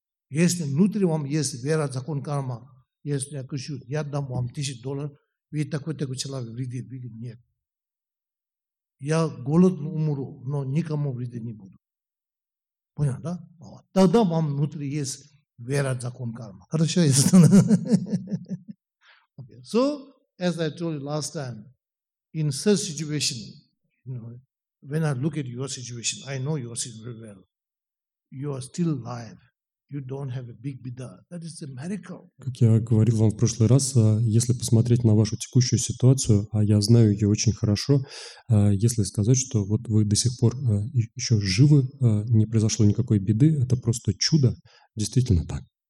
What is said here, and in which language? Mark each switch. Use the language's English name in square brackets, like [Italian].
[Russian] Если внутри вам есть вера, закон карма, если я хочу, я дам вам $1000, вы такой-такой человек вредит, вы говорите, нет. Я голодно умру, но никому вредить не буду. Понял, да? Вот. Тогда вам внутри есть вера, закон карма. Хорошо, если... [English] Okay. So, as I told you last time, in such situation, you know, when I look at your situation, I know your situation very well. You are still alive. You don't have a big bida. That is a miracle. [Russian] Как я говорил вам в прошлый раз, если посмотреть на вашу текущую ситуацию, а я знаю ее очень хорошо, если сказать, что вот вы до сих пор еще живы, не произошло никакой беды, это просто чудо. Действительно так.